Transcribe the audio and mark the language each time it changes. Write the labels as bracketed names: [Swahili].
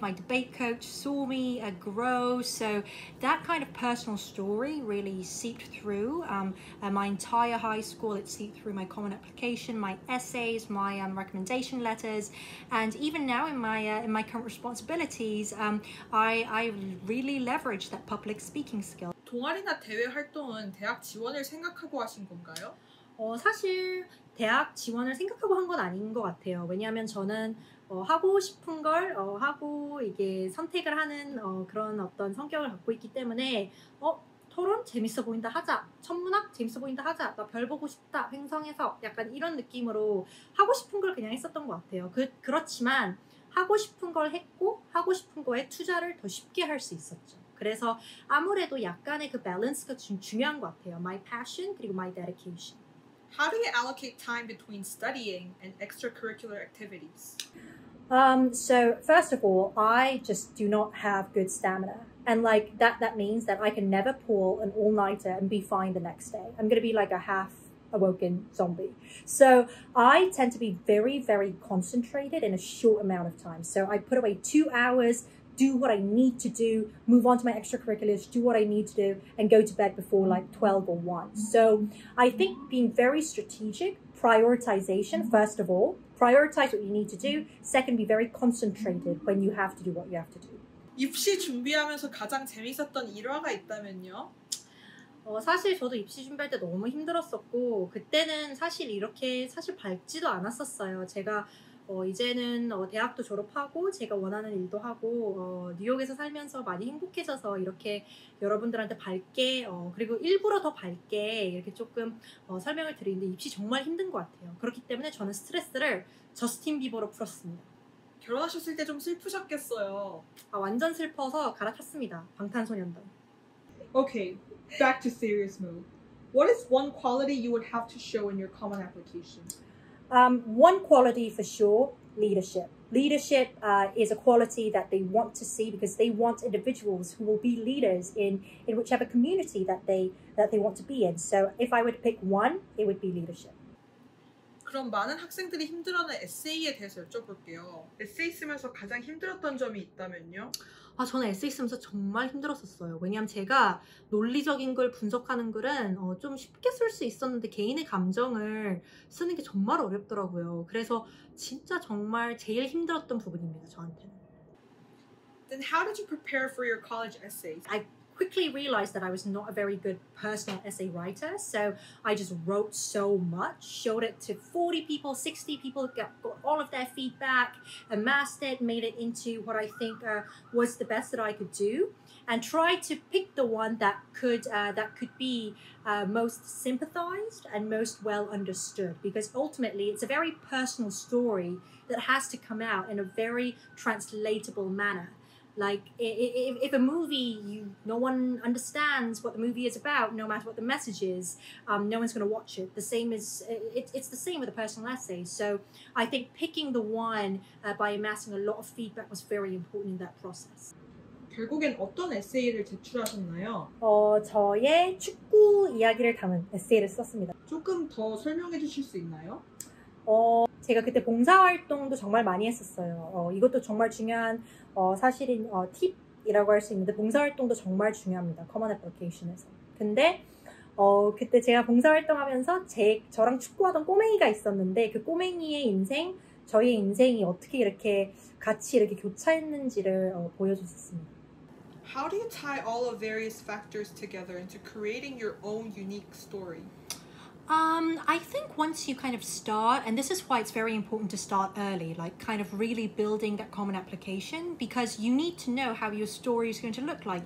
[English] My debate coach saw me grow. So that kind of personal story really seeped through my entire high school. It seeped through my common application, my essays, my recommendation letters. And even now in my current responsibilities, I really leverage that public speaking skill. [Korean] 동아리나 대회 활동은 대학 지원을 생각하고 하신 건가요? 사실 대학 지원을 생각하고 한 건 아닌 것 같아요. 왜냐하면 저는 하고 싶은 걸 하고 이게 선택을 하는 그런 어떤 성격을 갖고 있기 때문에 토론 재밌어 보인다 하자, 천문학 재밌어 보인다 하자, 나 별 보고 싶다, 행성에서 약간 이런 느낌으로 하고 싶은 걸 그냥 했었던 것 같아요. 그렇지만 하고 싶은 걸 했고 하고 싶은 거에 투자를 더 쉽게 할 수 있었죠. 그래서 아무래도 약간의 그 밸런스가 좀 중요한 것 같아요. [English] My passion [Korean] 그리고 [English] my dedication. How do you allocate time between studying and extracurricular activities? So first of all, I just do not have good stamina. And like that means that I can never pull an all-nighter and be fine the next day. I'm going to be like a half awoken zombie. So I tend to be very, very concentrated in a short amount of time. So I put away 2 hours do what I need to do, move on to my extracurriculars, do what I need to do, and go to bed before like 12 or 1. So I think being very strategic, prioritization, first of all, prioritize what you need to do. Second, be very concentrated when you have to do what you have to do. [Korean] 입시 준비하면서 가장 재밌었던 일화가 있다면요? 사실 저도 입시 준비할 때 너무 힘들었었고 그때는 사실 이렇게 사실 밝지도 않았었어요. 제가 이제는 대학도 졸업하고 제가 원하는 일도 하고 뉴욕에서 살면서 많이 행복해져서 이렇게 여러분들한테 밝게 그리고 일부러 더 밝게 이렇게 조금 설명을 드리는데 입시 정말 힘든 것 같아요. 그렇기 때문에 저는 스트레스를 저스틴 비버로 풀었습니다. 결혼하셨을 때 좀 슬프셨겠어요. 완전 슬퍼서 갈아탔습니다. 방탄소년단. [English] Okay. Back to serious mode. What is one quality you would have to show in your common application? One quality for sure, leadership. Leadership is a quality that they want to see because they want individuals who will be leaders in whichever community that they want to be in. So if I were to pick one, it would be leadership. [Korean] 그럼 많은 학생들이 힘들어하는 에세이에 대해서 여쭤볼게요. 에세이 쓰면서 가장 힘들었던 점이 있다면요? 저는 에세이 쓰면서 정말 힘들었었어요. 왜냐하면 제가 논리적인 글, 분석하는 글은 좀 쉽게 쓸 수 있었는데 개인의 감정을 쓰는 게 정말 어렵더라고요. 그래서 진짜 정말 제일 힘들었던 부분입니다, 저한테는. [English] Then how did you prepare for your college essays? I quickly realized that I was not a very good personal essay writer, so I just wrote so much, showed it to 40 people, 60 people, got all of their feedback, amassed it, made it into what I think was the best that I could do, and tried to pick the one that could be most sympathized and most well understood, because ultimately it's a very personal story that has to come out in a very translatable manner. Like, if a movie, no one understands what the movie is about, no matter what the message is, no one's going to watch it. The same is, it's the same with a personal essay. So I think picking the one by amassing a lot of feedback was very important in that process. [Korean] 결국엔 어떤 에세이를 제출하셨나요? 저의 축구 이야기를 담은 에세이를 썼습니다. 조금 더 설명해 주실 수 있나요? 제가 그때 봉사활동도 정말 많이 했었어요. 이것도 정말 중요한 사실인 팁이라고 할 수 있는데 봉사활동도 정말 중요합니다. [English] Common application에서. [Korean] 근데 그때 제가 봉사활동하면서 저랑 축구하던 꼬맹이가 있었는데 그 꼬맹이의 인생, 저희 인생이 어떻게 이렇게 같이 이렇게 교차했는지를 보여줬었습니다. [English] How do you tie all of various factors together into creating your own unique story? I think once you kind of start, and this is why it's very important to start early, like kind of really building that common application, because you need to know how your story is going to look like.